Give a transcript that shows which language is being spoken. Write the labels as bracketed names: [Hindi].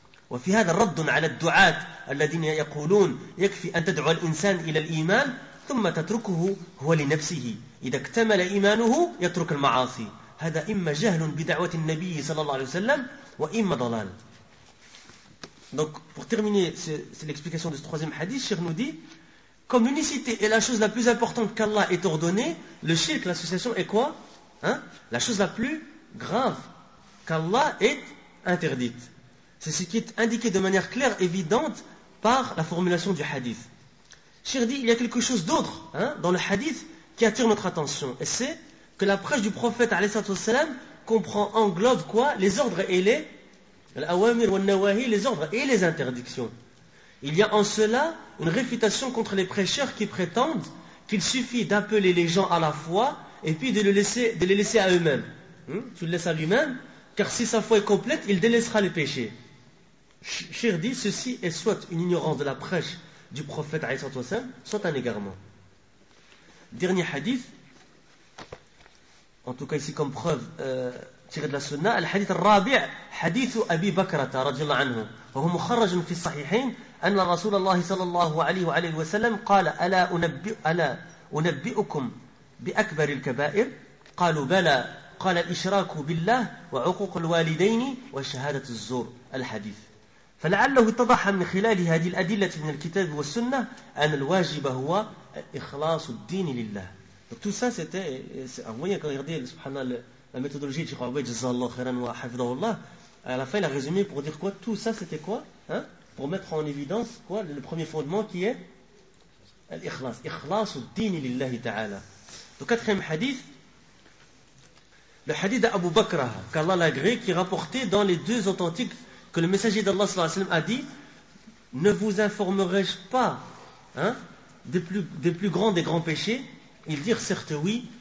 [Arabic] وفي هذا رد على الدعاة الذين يقولون يكفي أن تدعو الإنسان إلى الإيمان ثم تتركه هو لنفسه، إذا اكتمل إيمانه يترك المعاصي. هذا إما جهل بدعوة النبي صلى الله عليه وسلم وإما ضلال. [French] Donc, pour terminer, c'est l'explication de ce troisième hadith. Cheikh nous dit, comme l'unicité est la chose la plus importante qu'Allah ait ordonnée, le shirk, l'association, est quoi, hein? La chose la plus grave qu'Allah ait interdite. C'est ce qui est indiqué de manière claire, évidente, par la formulation du hadith. Cheikh dit, il y a quelque chose d'autre, hein, dans le hadith qui attire notre attention. Et c'est que la prêche du prophète, alayhi salam, comprend, englobe quoi? Les ordres et les... [Arabic] الأوامر والنواهي [French] les ordres et les interdictions. Il y a en cela une réfutation contre les prêcheurs qui prétendent qu'il suffit d'appeler les gens à la foi et puis de les laisser à eux-mêmes. Tu le laisses à lui-même, car si sa foi est complète, il délaissera les péchés. Cheikh dit, ceci est soit une ignorance de la prêche du prophète alayhi salam, soit un égarement. Dernier hadith, en tout cas ici comme preuve تيغ دلا سنة. [Arabic] الحديث الرابع حديث أبي بكرة رضي الله عنه، وهو مخرج في الصحيحين أن رسول الله صلى الله عليه وآله وسلم قال: ألا أنبئكم بأكبر الكبائر؟ قالوا: بلى. قال: الإشراك بالله وعقوق الوالدين وشهادة الزور. الحديث. فلعله اتضح من خلال هذه الأدلة من الكتاب والسنة أن الواجب هو إخلاص الدين لله. [French] Tout ça c'était, vous voyez, quand regardez سبحان الله la méthodologie de Chirawi, Jazallah khairan wa hafidhahullah, à la fin, il a résumé pour dire quoi? Tout ça, c'était quoi, hein? Pour mettre en évidence quoi? Le premier fondement qui est l'ikhlas. [Arabic] Ikhlas al-dini lillahi ta'ala. [French] Le quatrième hadith, le hadith d'Abu Bakrah, qu'Allah l'agré, qui rapportait dans les deux authentiques que le messager d'Allah sallallahu alayhi wa sallam a dit: ne vous informerai-je pas, hein, des plus grands des grands péchés? Il dit: certes oui.